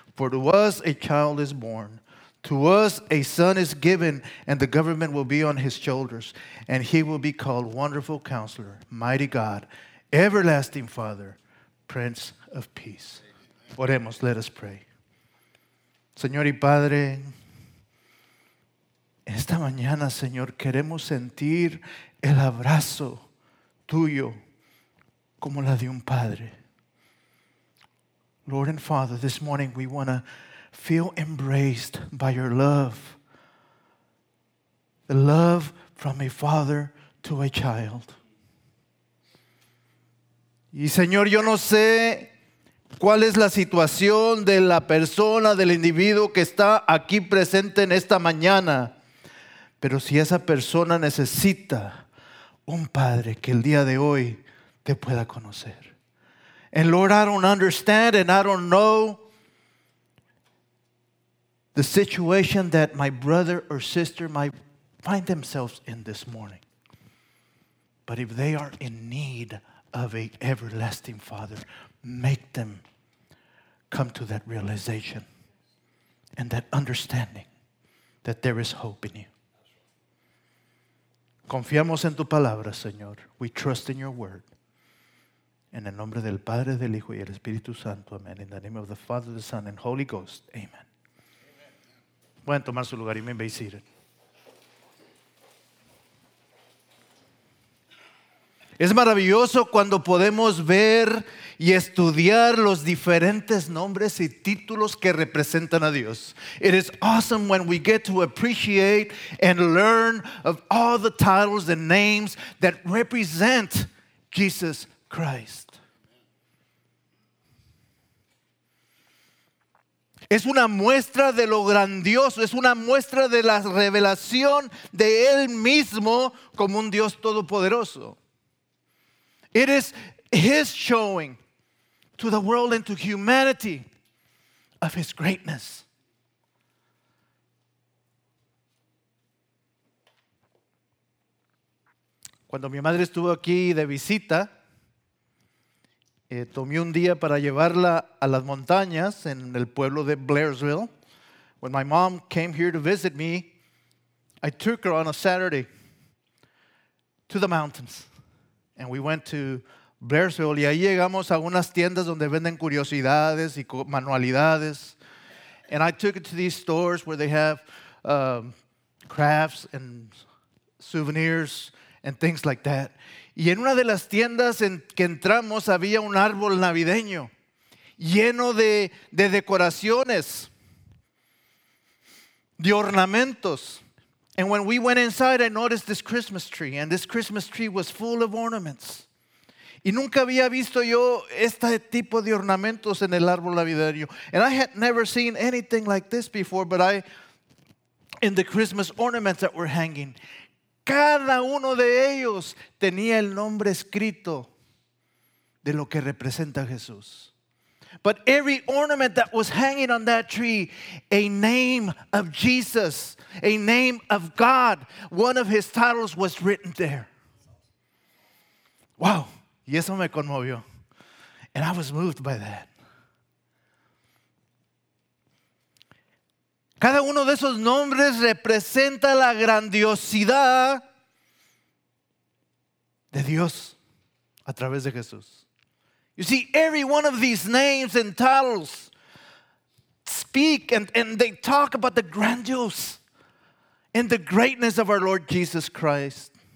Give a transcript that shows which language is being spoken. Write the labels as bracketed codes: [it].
[en] For to us a child is born, to us a son is given, and the government will be on his shoulders, and he will be called Wonderful Counselor, Mighty God, Everlasting Father, Prince of Peace. Oremos, let us pray. [es] Señor y Padre, esta mañana, Señor, queremos sentir el abrazo tuyo como la de un padre. [en] Lord and Father, this morning we want to feel embraced by your love. The love from a father to a child. [es] Y Señor, yo no sé cuál es la situación de la persona, del individuo que está aquí presente en esta mañana. Pero si esa persona necesita un padre que el día de hoy te pueda conocer. [en] And Lord, I don't understand and I don't know the situation that my brother or sister might find themselves in this morning. But if they are in need of an everlasting Father, make them come to that realization and that understanding that there is hope in you. [es] Confiamos en tu palabra, Señor. [en] We trust in your word. [es] En el nombre del Padre, del Hijo y del Espíritu Santo. Amen. [en] In the name of the Father, the Son, and Holy Ghost. [es] Amen. Pueden tomar su lugar y me invitan. Es maravilloso cuando podemos ver y estudiar los diferentes nombres y títulos que representan a Dios. [en] It is awesome when we get to appreciate and learn of all the titles and names that represent Jesus Christ. [es] Es una muestra de lo grandioso, es una muestra de la revelación de Él mismo como un Dios todopoderoso. [en] It is His showing to the world and to humanity of His greatness. [es] Cuando mi madre estuvo aquí de visita, tomé un día para llevarla a las montañas en el pueblo de Blairsville. [en] When my mom came here to visit me, I took her on a Saturday to the mountains. And we went to Blairsville. [es] Y ahí llegamos a unas tiendas donde venden curiosidades y manualidades. [en] And I took it to these stores where they have crafts and souvenirs and things like that. [es] Y en una de las tiendas en que entramos había un árbol navideño lleno de decoraciones, de ornamentos. [en] And when we went inside, I noticed this Christmas tree, and this Christmas tree was full of ornaments. [es] Y nunca había visto yo este tipo de ornamentos en el árbol navideño. [en] And I had never seen anything like this before, but I In the Christmas ornaments that were hanging, [es] cada uno de ellos tenía el nombre escrito de lo que representa Jesús. [en] But every ornament that was hanging on that tree, a name of Jesus, a name of God, one of his titles was written there. Wow. [es] Y eso me conmovió. [en] And I was moved by that. [es] Cada uno de esos nombres representa la grandiosidad de Dios a través de Jesús. [en] You see, every one of these names and titles speak and they talk about the grandiose and the greatness of our Lord Jesus Christ.